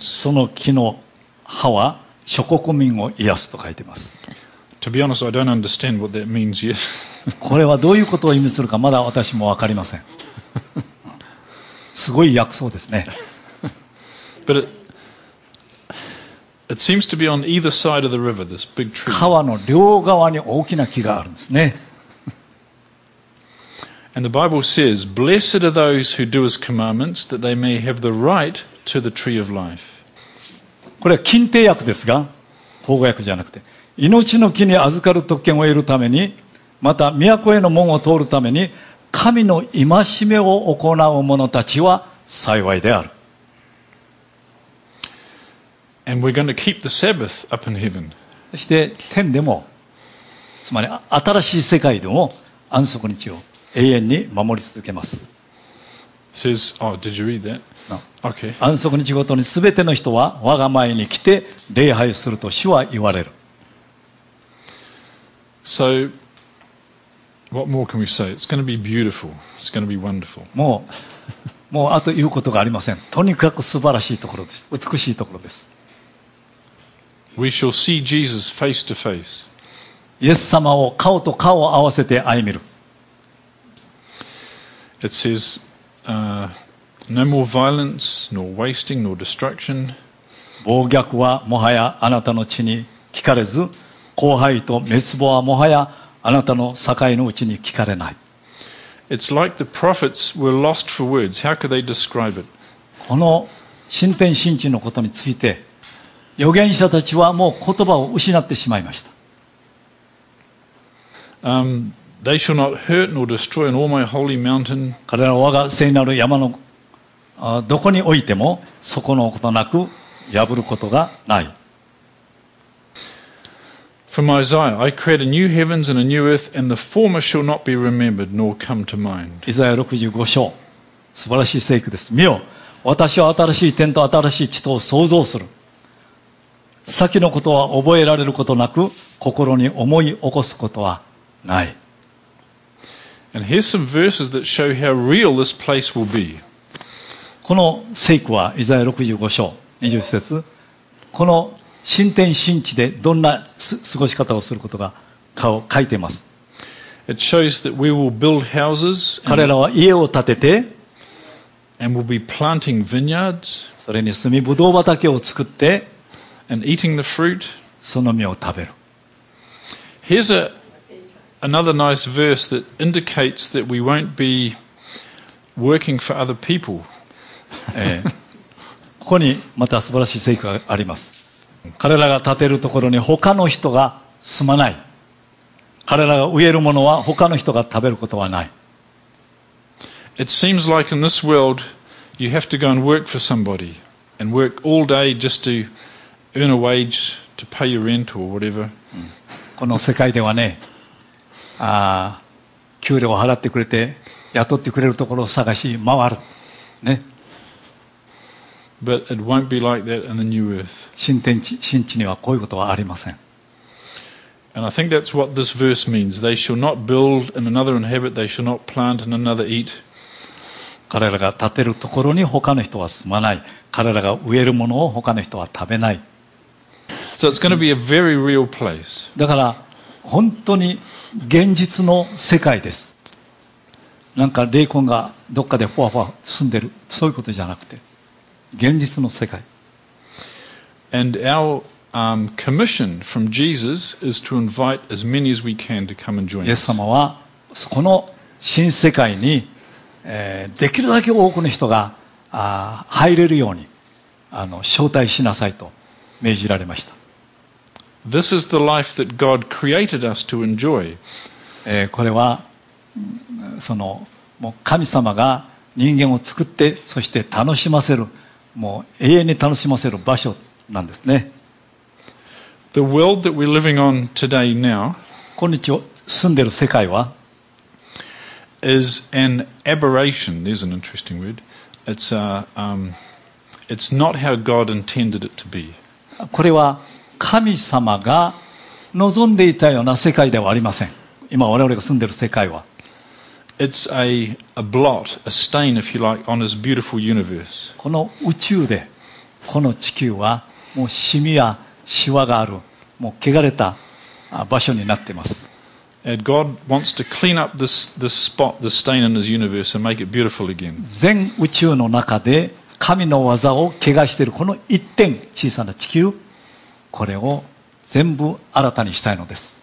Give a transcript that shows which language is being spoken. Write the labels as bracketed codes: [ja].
[ja] その木の葉は諸国民を癒すと書いてます。 [en] To be honest, I don't understand what that means yet. [ja] これはどういうことを意味するかまだ私もわかりません。すごい薬草ですね。 [en] But it seems to be on either side of the river, this big tree. [ja] 川の両側に大きな木があるんですね。 [en] And the Bible says, "Blessed are those who do His commandments, that they may have the right to the tree of life." [ja] これは禁定訳ですが、法語訳じゃなくて、命の木に預かる特権を得るために、また都への門を通るために、神の戒めを行う者たちは幸いである。 [en] And we're going to keep the Sabbath up in heaven. [ja] そして天でも、つまり新しい世界でも安息日を。永遠に守り続けます。 [en] Says, oh, did you read that? No. Okay. [ja] 安息日ごとに全ての人は我が前に来て礼拝すると主は言われる。 [en] So, what more can we say? It's going to be beautiful. It's going to be wonderful. [ja] もうあと言うことがありません。とにかく素晴らしいところです。美しいところです。 [en] We shall see Jesus face to face. [ja] イエス様を顔と顔を合わせて歩みる。 [en] It says, no more violence, nor wasting, nor destruction. [ja] 暴虐はもはやあなたの地に聞かれず、荒廃と滅亡はもはやあなたの境のうちに聞かれない。 [en] It's like the prophets were lost for words. How could they describe it? [ja] この新天新地のことについて、預言者たちはもう言葉を失ってしまいました。 [en] They shall not hurt nor destroy in all my holy mountain. [ja] 彼らは我が聖なる山のどこにおいても損のことなく破ることがない。 [en] From Isaiah, I create a new heavens and a new earth, and the former shall not be remembered nor come to mind. [ja] イザヤ65章、素晴らしい聖句です。見よ、私は新しい天と新しい地とを創造する。先のことは覚えられることなく、心に思い起こすことはない。 [en] And here's some verses that show how real this place will be. [ja] この聖句はイザヤ65章20節、この新天新地でどんな過ごし方をすることがかを書いています。 [en] It shows that we will build houses and [ja] 彼らは家を建てて [en] and we'll be planting vineyards, [ja] それに住みぶどう畑を作って [en] and eating the fruit, [ja] その実を食べる。 [en] Here's another nice verse that indicates that we won't be working for other people. [ja] ここにまた素晴らしい聖句があります。彼らが建てるところに他の人が住まない。彼らが植えるものは他の人が食べることはない。 [en] It seems like in this world you have to go and work for somebody and work all day just to earn a wage to pay your rent or whatever. [ja] この世界ではね、給料を払ってくれて雇ってくれるところを探し回るね。 [en] But it won't be like that in the new earth. [ja] 新地にはこういうことはありません。 [en] And I think that's what this verse means. They shall not build and another inhabit. They shall not plant and another eat. [ja] 彼らが建てるところに他の人は住まない。彼らが植えるものを他の人は食べない。 [en] So it's going to be a very real place. [ja] だから本当に現実の世界です。なんか霊魂がどっかでふわふわ住んでる、そういうことじゃなくて。現実の世界。 [en] And our commission from Jesus is to invite as many as we can to come and join us. [ja] イエス様はこの新世界に、できるだけ多くの人が入れるように招待しなさいと命じられました。 [en] This is the life that God created us to enjoy. [ja] これはそのもう神様が人間を作ってそして楽しませる。もう永遠に楽しませる場所なんですね。 [en] The world that we're living on today now, [ja] 今日住んでる世界は [en] is an aberration. There's an interesting word. It's it's not how God intended it to be. [ja] これは神様が望んでいたような世界ではありません。今我々が住んでる世界は。 [en] It's a blot, a stain, if you like, on his beautiful universe. [ja] この宇宙で、この地球はもうシミやシワがある、もう汚れた場所になっています。 [en] And God wants to clean up this spot, this stain in his universe, and make it beautiful again. [ja] 全宇宙の中で神の技を汚しているこの一点、小さな地球、これを全部新たにしたいのです。